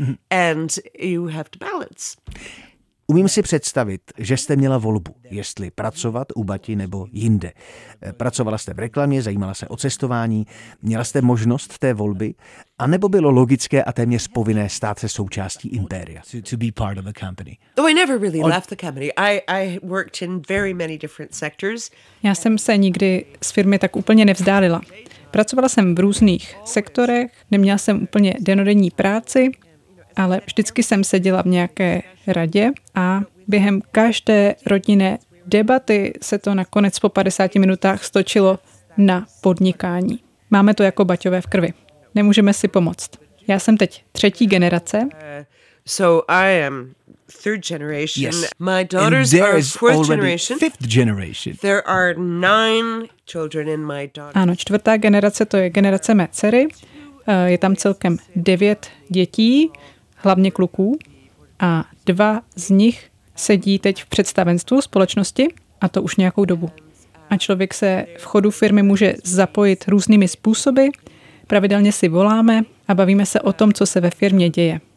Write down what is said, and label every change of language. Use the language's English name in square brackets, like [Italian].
[English] And you have to balance. [Czech] Umím si představit, že jste měla volbu, jestli pracovat u Bati nebo jinde. Pracovala jste v reklamě, zajímala se o cestování, měla jste možnost té volby, anebo bylo logické a téměř povinné stát se součástí impéria? [English] To be part of a company. Oh, I never really left the company. I worked in very many different sectors. [Czech] Já jsem se nikdy z firmy tak úplně nevzdálila. Pracovala jsem v různých sektorech, neměla jsem úplně dennodenní práci, ale vždycky jsem seděla v nějaké radě a během každé rodinné debaty se to nakonec po 50 minutách stočilo na podnikání. Máme to jako Baťové v krvi. Nemůžeme si pomoct. Já jsem teď třetí generace. [English] So I am third generation. Yes. My daughters are fourth generation. Fifth generation. There are 9 children in my daughter. [Czech] Ano, čtvrtá generace, to je generace mé dcery. Je tam celkem 9 dětí, hlavně kluků, a 2 z nich sedí teď v představenstvu společnosti, a to už nějakou dobu. A člověk se v chodu firmy může zapojit různými způsoby, pravidelně si voláme a bavíme se o tom, co se ve firmě děje.